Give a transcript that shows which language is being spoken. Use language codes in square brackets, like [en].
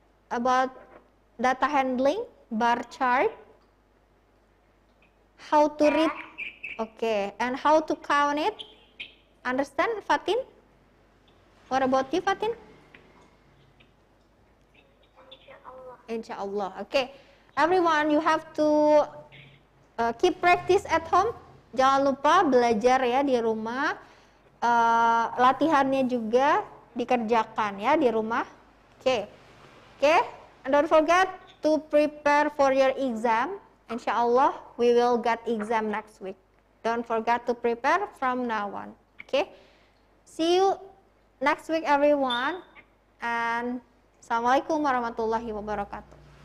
[en] about data handling, bar chart, how to read, okay, and how to count it. Understand, Fatin? What about you, Fatin? [ar] Insyaallah. Insyaallah. [en] Okay, everyone, you have to keep practice at home. [id] Jangan lupa belajar ya di rumah. Latihannya juga dikerjakan ya di rumah. [en] Okay, okay. And don't forget to prepare for your exam. Insyaallah, we will get exam next week. Don't forget to prepare from now on. Okay, see you next week, everyone. [ar] And assalamualaikum warahmatullahi wabarakatuh.